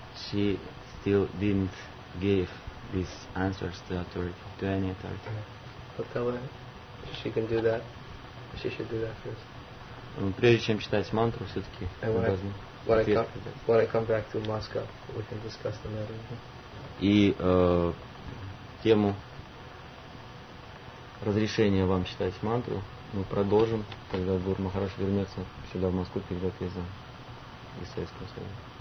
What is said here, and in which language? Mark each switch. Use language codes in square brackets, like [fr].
[en] She still didn't give these answers to authority, to any authority. But tell her she can do that. She should do that first. [ru] Прежде чем читать мантру, все-таки должны. [en] When I come back to Moscow, we can discuss the matter. [ru] И тему разрешения вам читать мантру мы продолжим, когда Гуру Махарадж вернется сюда в Москву перед отъездом из Советского Союза.